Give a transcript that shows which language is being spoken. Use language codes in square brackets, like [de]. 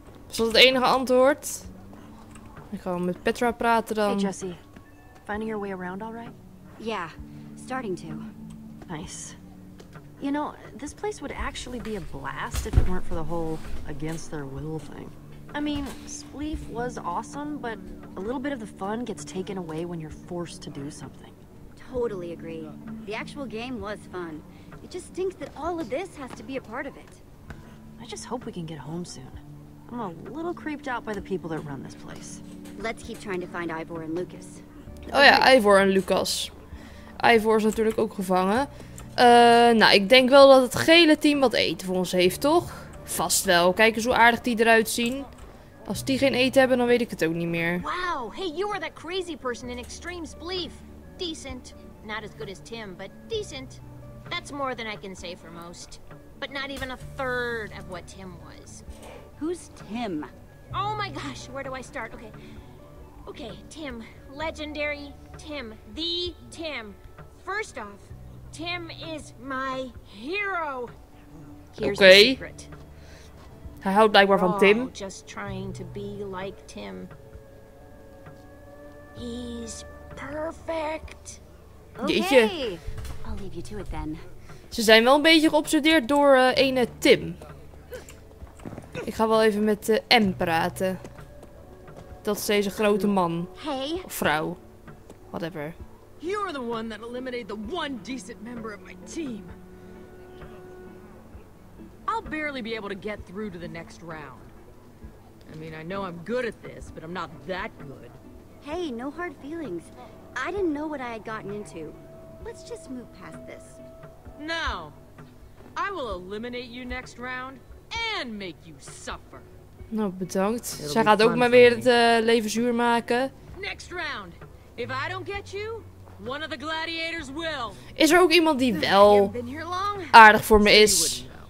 [nl] Is dat het enige antwoord? Ik ga met Petra praten dan. [en] Hey Jesse, finding your way around all right? Yeah, starting to. Nice. You know, this place would actually be a blast if it weren't for the whole against their will thing. I mean, spleef was awesome, but a little bit of the fun gets taken away when you're forced to do something. Totally agree. The actual game was fun. It just stinks that all of this has to be a part of it. I just hope we can get home soon. I'm a little creeped out by the people that run this place. Let's keep trying to find Ivor and Lucas. [nl] Oh ja, Ivor en Lucas. Ivor is natuurlijk ook gevangen. Nou, ik denk wel dat het gele team wat eten voor ons heeft, toch? Vast wel. Kijk eens hoe aardig die eruit zien. Als die geen eten hebben, dan weet ik het ook niet meer. [en] Wow, hey, you are that crazy person in extreme spleef. Decent. Not as good as Tim, but decent. That's more than I can say for most. But not even a third of what Tim was. Who's Tim? Oh my gosh, where do I start? Okay. Okay, Tim. Legendary Tim. The Tim. First off, Tim is my hero. Here's okay. The secret. [nl] Hij houdt blijkbaar van Tim. [en] Just trying to be like Tim. He's perfect. Okay. I'll leave you to it then. [nl] Ze zijn wel een beetje geobsedeerd door ene Tim. Ik ga wel even met M praten. Dat is deze grote man. [en] Hey. [nl] Of vrouw. Whatever. [en] You're the one that eliminated the one decent member of my team. I'll barely be able to get through to the next round. I mean, I know I'm good at this, but I'm not that good. Hey, no hard feelings. I didn't know what I had gotten into. Let's just move past this. No. I will eliminate you next round and make you suffer. [nl] Nou, bedankt. Zij gaat ook maar weer het leven zuur maken. [en] Next round. If I don't get you, one of the gladiators will. [nl] Is er ook iemand die wel aardig voor me is?